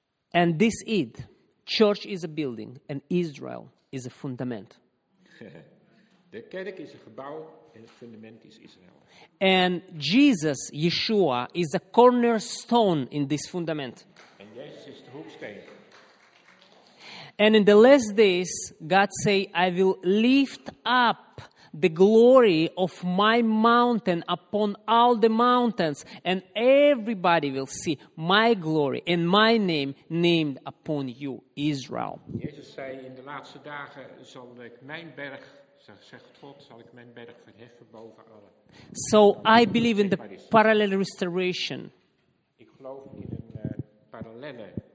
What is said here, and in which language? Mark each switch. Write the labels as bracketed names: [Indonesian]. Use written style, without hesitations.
[English] And this is, church is a building and Israel is a fundament. [Dutch] De kerk is een gebouw en het fundament is Israël. [English] And Jesus, Yeshua, is a cornerstone in this fundament. [Dutch] En Jezus is de hoeksteen. [English] And in the last days, God say, I will lift up the glory of my mountain upon all the mountains, and everybody will see my glory and my name named upon you, Israel. [Dutch] Jezus zei, in de laatste dagen zal ik mijn berg, zegt God, zal ik mijn berg verheffen boven alle. [English] So I believe in the parallel restoration. [Dutch] Ik geloof in een parallele.